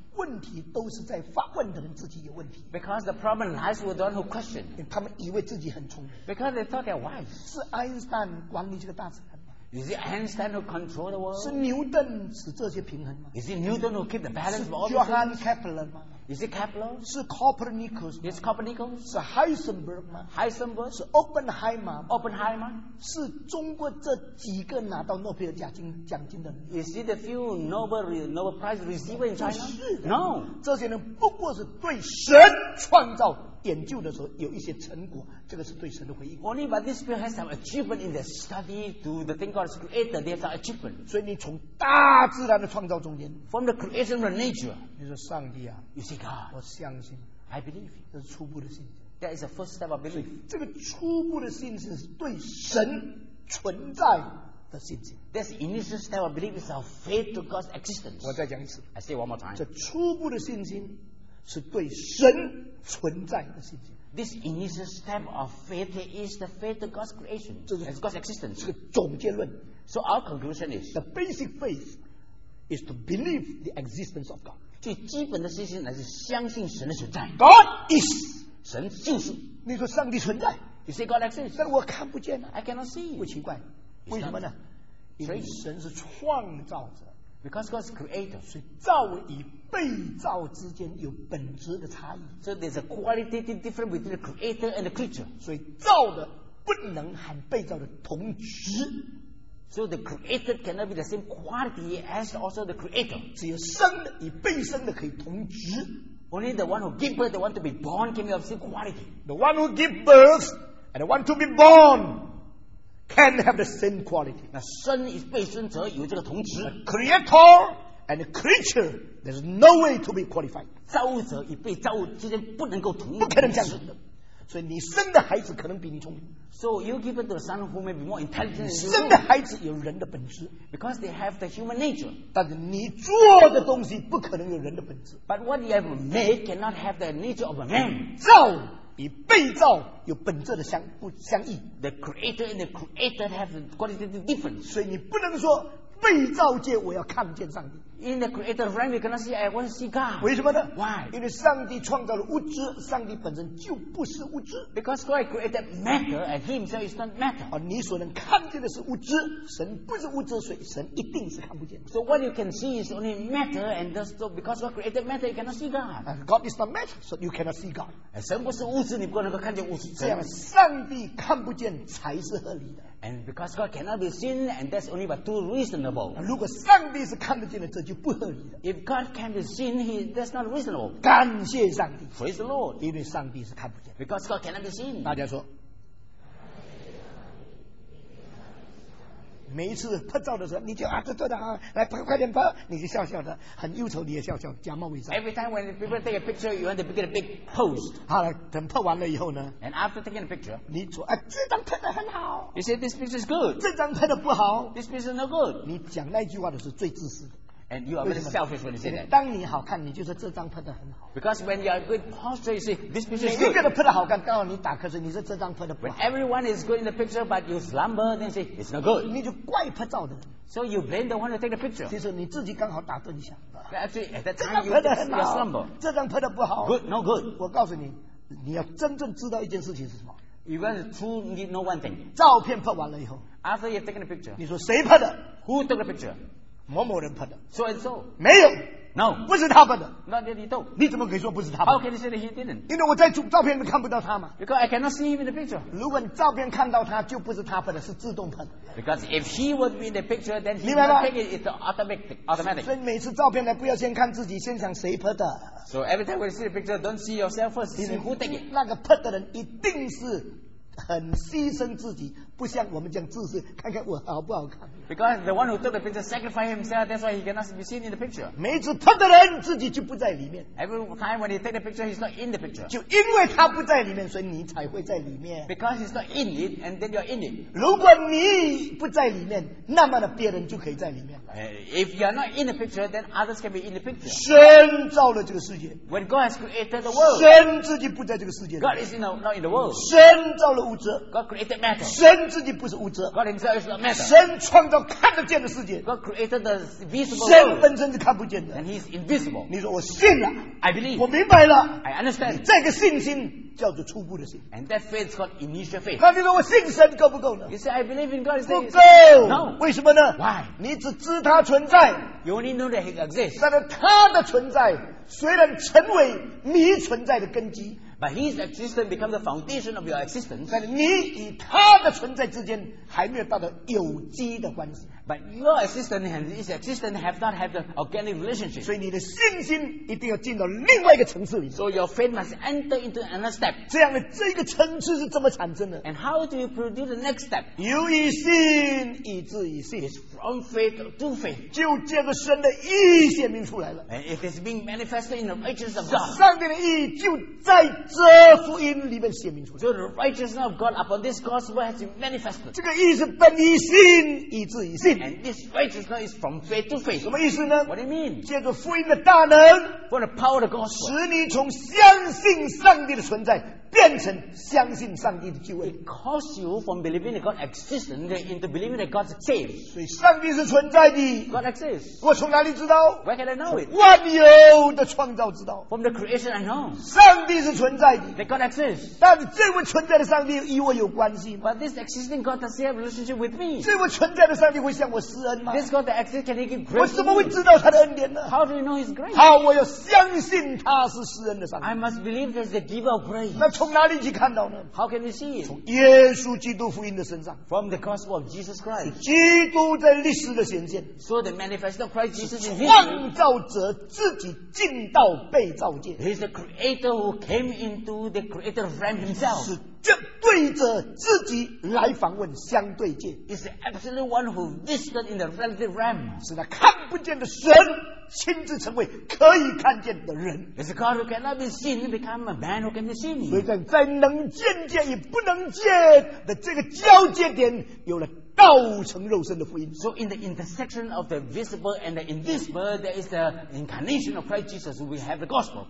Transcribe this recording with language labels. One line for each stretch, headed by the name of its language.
Chinese: 问题都是在发问的人自己有问题。
English: Because the problem lies with the one who question.
Chinese: 他们以为自己很聪明。
English: Because they thought they're wise.
Chinese: 是爱因斯坦管理这个大自然。
English: Is it Einstein who controls the world?
Chinese: 是牛顿使这些平衡吗
English: ？Is it Newton who keep the balance of all things?
Chinese: 是 Johann Kepler 吗
English: ？Is it Kepler?
Chinese: 是 Copernicus 吗
English: ？Is Copernicus?
Chinese: 是 Heisenberg 吗
English: ？Heisenberg
Chinese: 是 Oppenheimer 吗
English: ？Oppenheimer
Chinese: 是中国这几个拿到诺贝尔奖金的人
English: ？Is it a few Nobel Prize receiver in China?
Chinese: 是
English: No，
Chinese: 这些人不过是对神创造。研究的时候有一些成果，这个是对神的回应。
English: Only by this people has some achievement in their study to the thing God has created. They have some achievement.
Chinese: 所以你从大自然的创造中间
English: ，from the creation of nature，
Chinese: 你说上帝啊
English: ，You see God，
Chinese: 我相信
English: ，I believe，
Chinese: 这是初步的信心。
English: That is the first step of belief.
Chinese: 这个初步的信心是对神存在的信心。
English: This initial step of belief is our faith to God's existence.
Chinese: 我再讲一次
English: ，I say one more time.
Chinese: 这初步的信心。是对神存在的信心。
English: This initial step of faith is the faith of God's creation.
Chinese: 这是
English: God's existence.
Chinese: 是个总结论。
English: So our conclusion is the basic faith is to believe the existence of God.
Chinese: 最基本的信心乃是相信神的存在。
English: God is
Chinese: 神就是。你说上帝存在
English: ？You say God exists.
Chinese: 但我看不见呢。
English: I cannot see.
Chinese: 不奇怪，为什么呢？因为神是创造者。
English: Because God's creator,
Chinese: 所以造与被造之间有本质的差异。
English: So there's a qualitative difference between the creator and the creature.
Chinese: 所以造的不能和被造的同质。
English: So the created cannot be the same quality as also the creator.
Chinese: 只有生的与被生的可以同质。
English: Only the one who gives birth, the one to be born, can be of same quality. The one who gives birth and the one to be born. Can have the same quality.
Chinese: 那生与被生者有这个同质。
English: Creator and creature, there's no way to be qualified.
Chinese: 造物者与被造物之间不能够同质。不可能这样子的。所以你生的孩子可能比你聪明。
English: So you give it to a son who may be more intelligent.
Chinese: 你生的孩子有人的本质。
English: Because they have the human nature.
Chinese: 但是你做的东西不可能有人的本质。
English: But what you have made cannot have the nature of a man.
Chinese: 造与被造有本质的相异
English: ，the creator and the created have a qualitative difference。
Chinese: 所以你不能说被造界我要看见上帝。
English: In the creator realm, you cannot see I want to see God。
Chinese: 为什么呢
English: ？Why？
Chinese: 因为上帝创造了物质，上帝本身就不是物质。
English: Because God created matter and He Himself is not matter。
Chinese: 而你所能看见的是物质，神不是物质，所以神一定是看不见。
English: So what you can see is only matter, and thus so because God created matter, you cannot see God。 God is not matter, so you cannot see God。
Chinese: 神不是物质，你不能够看见物质。这样，上帝看不见才是合理的。
English: And because God cannot be seen, and that's only but too reasonable.
Chinese: 如果上帝是看得见的，这就不合理了。
English: If God can be seen, that's not reasonable.
Chinese: 感谢上帝
English: ，Praise the Lord.
Chinese: 因为上帝是看不见。
English: Because God cannot be seen.
Chinese: 大家说，每一次拍照的时候，你就啊，这做的啊，来拍，快点拍，你就笑笑的，很忧愁，你也笑笑，假冒伪善。
English: Every time when people take a picture, you want to get a big pose.
Chinese: 好了，等拍完了以后呢
English: ？And after taking a picture,
Chinese: 你说啊，这张拍的很好。
English: You say this picture is good.
Chinese: 这张拍的不好。
English: This picture is no good.
Chinese: 你讲那句话的是最自私的。
English: And you are very selfish when you say that.
Chinese: 当你好看，你就说这张拍的很好。
English: Because when you are good posture, you say this picture is good.
Chinese: 每一个人拍的好看，刚好你打瞌睡，你说这张拍的不好。
English: When everyone is good in the picture, but you slumber, then say it's not good.
Chinese: 你就怪拍照的。
English: So you blame the one who take the picture.
Chinese: 其实你自己刚好打盹一下。
English: But actually, at that time you are slumber.
Chinese: 这张拍的不好。
English: Good, no good.
Chinese: 我告诉你，你要真正知道一件事情是什么。
English: You guys truly know one thing.
Chinese: 照片拍完了以后。
English: After you've taken the picture.
Chinese: 你说谁拍的
English: ？Who took the picture?
Chinese: 某某人拍的
English: ，so and so，
Chinese: 没有
English: ，no，
Chinese: 不是他拍的
English: ，not that he took，
Chinese: 你怎么可以说不是他拍的
English: ？How can you say that he didn't？
Chinese: 因为我在照片里面看不到他嘛
English: ，because I cannot see him in the picture。
Chinese: 如果你照片看到他，就不是他拍的，是自动拍的。
English: Because if he would be in the picture, then he would take it. It's automatic.
Chinese: 所以每次照片呢，不要先看自己，先想谁拍的。
English: So every time we see the picture, don't see yourself first. See who take it.
Chinese: 那个拍的人一定是。很牺牲自己，不像我们讲自私，看看我好不好看。
English: Because the one who took the picture sacrificed himself, that's why he cannot be seen in the picture.
Chinese: 每次拍的人自己就不在里面。
English: Every time when he take the picture, he's not in the picture.
Chinese: 就因为他不在里面，所以你才会在里面。
English: Because he's not in it, and then you're in it.
Chinese: 如果你不在里面，那么呢，别人就可以在里面。
English: If you're not in the picture, then others can be in the picture.
Chinese: 神造了这个世界。
English: When God has created the world,
Chinese: 神自己不在这个世界。
English: God is not in the world.
Chinese: 神造了。物质
English: ，God created matter。
Chinese: 神自己不是物质
English: ，God himself is not matter。
Chinese: 神创造看得见的世界
English: ，God created the visible。
Chinese: 神本身是看不见的
English: ，and he's invisible。
Chinese: 你说我信了
English: ，I believe。
Chinese: 我明白了
English: ，I understand。
Chinese: 这个信心叫做初步的信
English: ，and that faith is called initial faith。
Chinese: 那你说我信神够不够呢
English: ？You say I believe in God。
Chinese: 不够
English: ，No。
Chinese: 为什么呢
English: ？Why？
Chinese: 你只知他存在
English: ，You only know that he exists。
Chinese: 但是他的存在虽然成为你存在的根基。
English: But his existence becomes the foundation of your existence.
Chinese: 但是你与他的存在之间还没有到达有机的关系。
English: But your existence and his existence have not had the organic relationship.
Chinese: 所以你的信心一定要进到另外一个层次里。
English: So your faith must enter into another step.
Chinese: 这样的这个层次是怎么产生的
English: ？And how do you produce the next step?
Chinese: 由于信，以至于信。
English: It's from faith to faith.
Chinese: 就借着神的义显明出来了。
English: And it is being manifested in the righteousness of God.
Chinese: 上帝的义就在。这福音里面显明出来。
English: So the righteousness of God upon this gospel has been manifested.
Chinese: 这个义是本于信，以至于信。
English: And this righteousness is from faith to faith.
Chinese: 什么意思呢
English: ？What do you mean?
Chinese: 借着福音的大能
English: ，For the power of the gospel，
Chinese: 使你从相信上帝的存在。变成相信上帝的救恩
English: ，It causes you from believing that God exists into believing that God saves.
Chinese: 所以上帝是存在的
English: ，God exists.
Chinese: 我从哪里知道
English: ？Where can I know it?
Chinese: 万有的创造知道
English: ，From the creation I know.
Chinese: 上帝是存在的
English: ，That God exists.
Chinese: 但是这位存在的上帝与我有关系
English: ？But this existing God does he have relationship with me?
Chinese: 这位存在的上帝会向我施恩吗
English: ？This God that exists can he give grace?
Chinese: 我怎么会知道他的恩典呢
English: ？How do you know his grace?
Chinese: 好，我要相信他是施恩的上帝。
English: I must believe that the giver of grace.
Chinese: 那从从哪里去看到呢
English: ？How can you see it?
Chinese: 从耶稣基督福音的身上
English: ，From the gospel of Jesus Christ.
Chinese: 基督在历史的显现
English: ，So the manifestation of Christ Jesus is
Chinese: 创造者自己进到被造界
English: ，He's the creator who came into the creator realm himself.
Chinese: 是这对着自己来访问相对界
English: ，He's the absolute one who visited in the relative realm.
Chinese: 是那看不见的神。亲自成为可以看见的人
English: It's a God who cannot be seen become a man who can be seen
Chinese: 所以在能见见与不能见的这个交界点有了道成肉身的福音
English: So in the intersection of the visible and the invisible There is the incarnation of Christ Jesus We have the gospel